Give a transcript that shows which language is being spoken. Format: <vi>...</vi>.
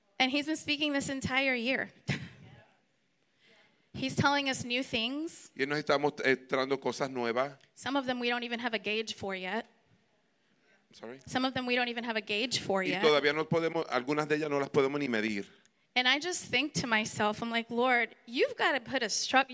<en>And he's been speaking this entire year. He's telling us new things.</en> <es>Y nos está mostrando cosas nuevas.</es> <en>Some of them we don't even have a gauge for yet. Sorry. Some of them we don't even have a gauge for yet.</en> <es>Y todavía no podemos, algunas de ellas no las podemos ni medir.</es> <en>And I just think to myself, I'm like, Lord, you've got to put a structure.</en>